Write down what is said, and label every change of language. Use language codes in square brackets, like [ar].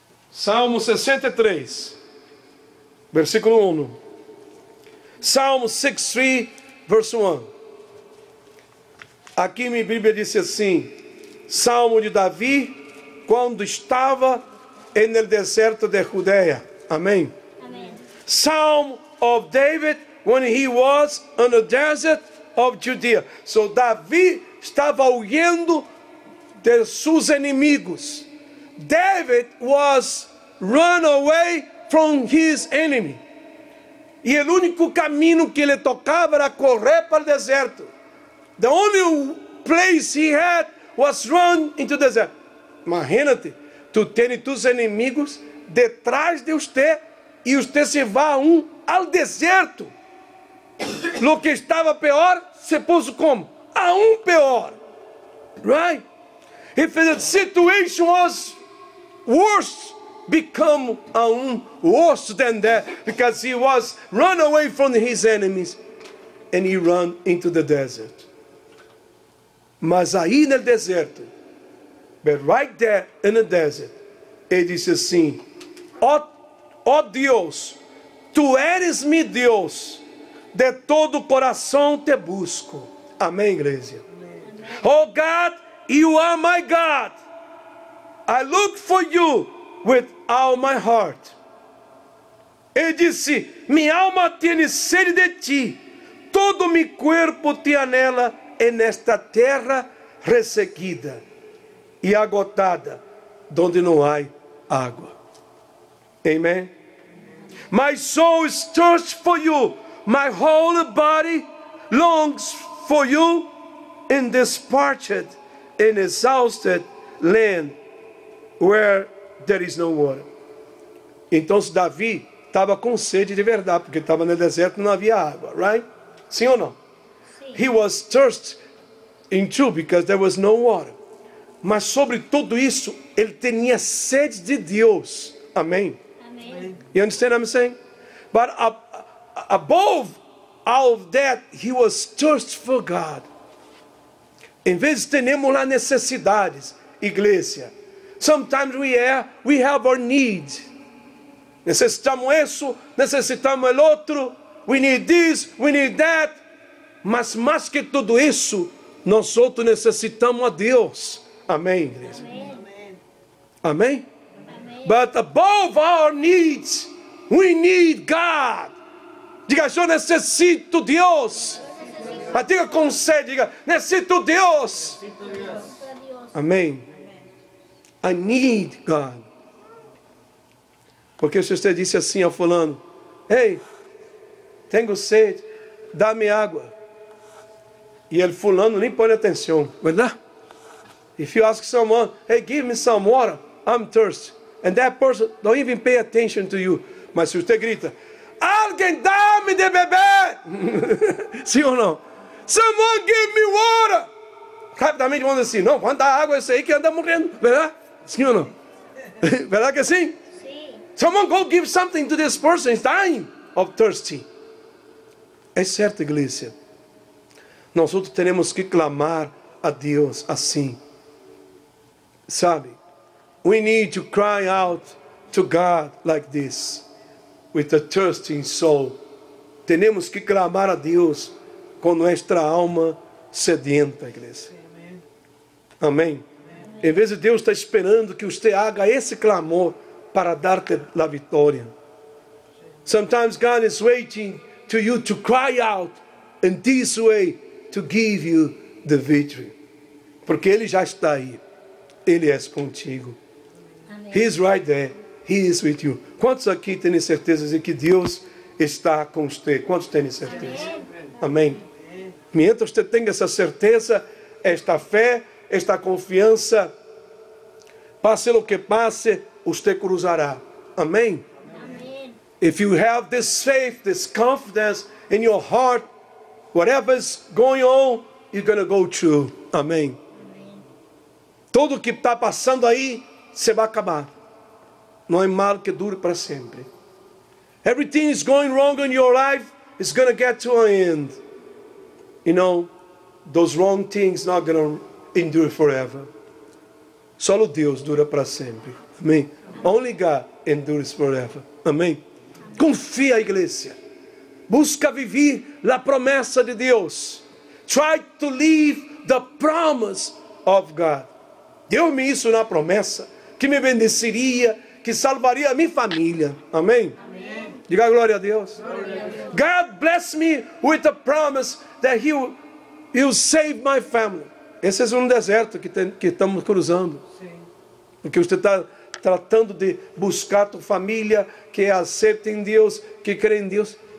[pt] Salmo 63, versículo 1. Salmo 63, [en] verse 1. [pt] Aqui minha Bíblia diz assim. Salmo de Davi, quando estava no deserto de Judeia. Amém. Amém. [en] Psalm of David, when he was in the desert of Judea. [pt] So, Davi estava huyendo de seus inimigos. [en] David was run away from his enemy. [pt] E o único caminho que ele tocava era correr para o deserto. [en] The only place he had was run into the desert. [pt] Imagina-te, tu tens tus inimigos detrás de você e você se vá ao deserto. Lo que estava pior, se pôs como? A pior. [en] Right? If the situation was worse, become a worse than that, because he was run away from his enemies and he ran into the desert. [pt] Mas aí no deserto, [en] but right there in the desert, [pt] ele disse assim: ó Deus, tu eres mi Deus, de todo coração te busco. Amém, igreja? Amém. [en] Oh God, you are my God. I look for you with all my heart. [pt] Ele disse: minha alma tem sede de ti, todo meu corpo te anela. É nesta terra resseguida e agotada, onde não há água. Amém. [en] My soul is thirst for you, my whole body longs for you in this parched and exhausted land where there is no water. [pt] Então Davi estava com sede de verdade, porque estava no deserto e não havia água, right? Sim ou não? Sim. [en] He was thirsty in two because there was no water. [pt] Mas sobre tudo isso, ele tinha sede de Deus. Amém. Amém. [en] You understand what I'm saying? But above all of that, he was thirsty for God. [pt] Em vez de termos lá necessidades, igreja. [en] Sometimes we have our needs. [pt] Necessitamos isso, necessitamos el outro. [en] We need this, we need that. [pt] Mas mais que tudo isso, nós outros necessitamos a Deus. Amém, igreja. Amém. Amém? Amém. [en] But above our needs, we need God. [pt] Diga, eu necessito Deus. Mas diga com sede, diga, necessito Deus. Amém. [en] I need God. [pt] Porque se você disse assim ao fulano, hey, tenho sede, dá-me água. E ele fulano nem põe atenção. [en] Verdade? If you ask someone, hey, give me some water, I'm thirsty. And that person don't even pay attention to you. [pt] Mas se você grita, alguém dá-me de beber. Sim ou não? [en] Someone give me water. [pt] Rapidamente vão dizer assim, não, vão dar água, esse aí que anda morrendo. Verdade? Sim ou não? Verdade que sim? Sim. [en] Someone go give something to this person. It's dying of thirsty. [pt] É certo, igreja. Nós outros temos que clamar a Deus assim. Sabe? [en] We need to cry out to God like this. With a thirsting soul. [pt] Temos que clamar a Deus com nossa alma sedenta, igreja. Amém. Amém. Em vez de Deus estar esperando que você haga esse clamor para dar-te a vitória. [en] Sometimes God is waiting to you to cry out in this way to give you the victory. [pt] Porque Ele já está aí. Ele é contigo. Amém. [en] He is right there. He is with you. [pt] Quantos aqui têm certeza de que Deus está com você? Quantos têm certeza? Amém. Amém. Amém. Mientras você tenha essa certeza, esta fé, esta confiança, passe o que passe, você cruzará. Amém? Amém? [en] If you have this faith, this confidence in your heart, whatever is going on, you're going to go through. [pt] Amém? Amém. Tudo que está passando aí, você vai acabar. Não é mal que dure para sempre. [en] Everything is going wrong in your life, it's going to get to an end. You know, those wrong things not going to endure forever. [pt] Só o Deus dura para sempre. Amém. [en] Only God endures forever. [pt] Amém. Confia, igreja. Busca viver la promessa de Deus. [en] Try to live the promise of God. [pt] Deu-me isso na promessa, que me bendeceria, que salvaria a minha família. Amém. Amém. Diga glória a Deus. Glória a Deus. [en] God bless me with a promise that he'll save my family. [pt] Esse é um deserto que estamos cruzando. Sim. Porque você está tratando de buscar tua família, que aceita em Deus, que crê em Deus.